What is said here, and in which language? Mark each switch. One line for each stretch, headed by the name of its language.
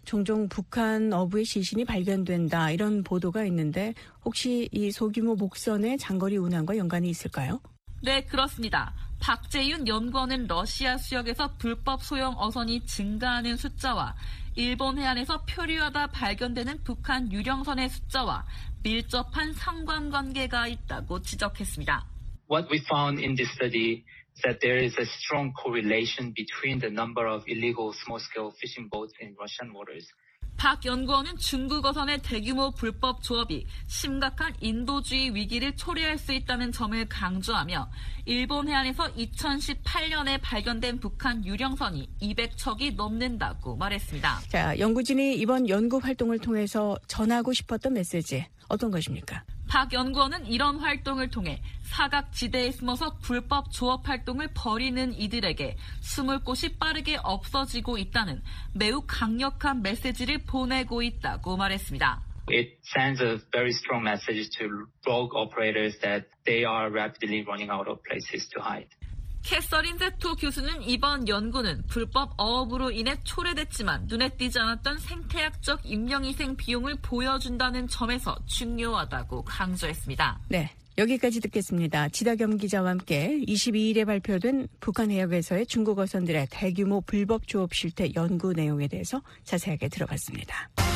Korean: 종종 북한 어부의 시신이 발견된다 이런 보도가 있는데 혹시 이 소규모 목선의 장거리 운항과 연관이 있을까요? 네, 그렇습니다. 박재윤 연구원은 러시아 수역에서 불법 소형 어선이 증가하는 숫자와 일본 해안에서 표류하다 발견되는 북한 유령선의 숫자와 밀접한 상관관계가 있다고 지적했습니다.
English: What we found in this study that there is a strong correlation between the number of illegal small-scale fishing boats in Russian waters.
Korean: 박 연구원은 중국 어선의 대규모 불법 조업이 심각한 인도주의 위기를 초래할 수 있다는 점을 강조하며 일본 해안에서 2018년에 발견된 북한 유령선이 200척이 넘는다고 말했습니다. 자, 연구진이 이번 연구 활동을 통해서 전하고 싶었던 메시지 어떤 것입니까? 박 연구원은 이런 활동을 통해 사각지대에 숨어서 불법 조업 활동을 벌이는 이들에게 숨을 곳이 빠르게 없어지고 있다는 매우 강력한 메시지를 보내고 있다고 말했습니다.
English: It sends a very strong message to rogue operators that they are rapidly running out of places to hide.
Korean: 캐서린 세토 교수는 이번 연구는 불법 어업으로 인해 초래됐지만 눈에 띄지 않았던 생태학적 인명희생 비용을 보여준다는 점에서 중요하다고 강조했습니다. 네, 여기까지 듣겠습니다. 지다겸 기자와 함께 22일에 발표된 북한 해역에서의 중국 어선들의 대규모 불법 조업 실태 연구 내용에 대해서 자세하게 들어봤습니다.